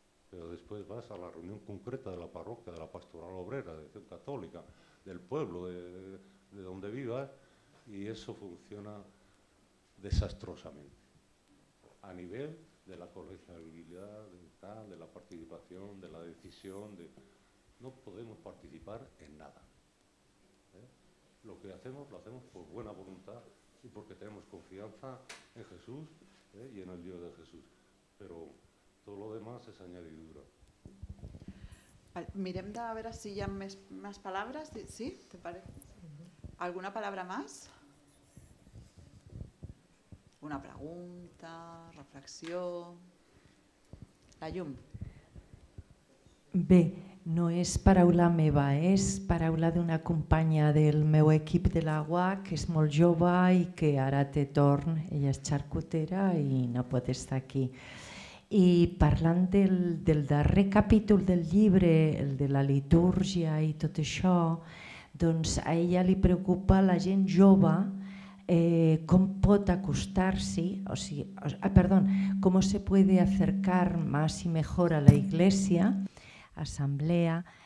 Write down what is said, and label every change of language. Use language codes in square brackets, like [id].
[es] Pero después vas a la reunión concreta de la parroquia, de la pastoral obrera, de la católica, del pueblo de donde vivas, y eso funciona desastrosamente a nivel de la colegialidad, de la participación, de la decisión, de... No podemos participar en nada. Lo que hacemos, lo hacemos por buena voluntad y porque tenemos confianza en Jesús y en el Dios de Jesús. Pero todo lo demás es añadidura. [ca] Vale, mirem de a veure si hi ha més paraules. [es] Sí, te parece? ¿Alguna palabra más? [ca] ¿Una pregunta, reflexió? La llum. Bé. No és paraula meva, és paraula d'una companya del meu equip de la UAC, que és molt jove i que ara té torn, ella és xarcutera i no pot estar aquí. I parlant del darrer capítol del llibre, el de la litúrgia i tot això, doncs a ella li preocupa la gent jove, com pot acostar-se, o sigui, com [es] se puede acercar más y mejor a la Iglesia, asamblea,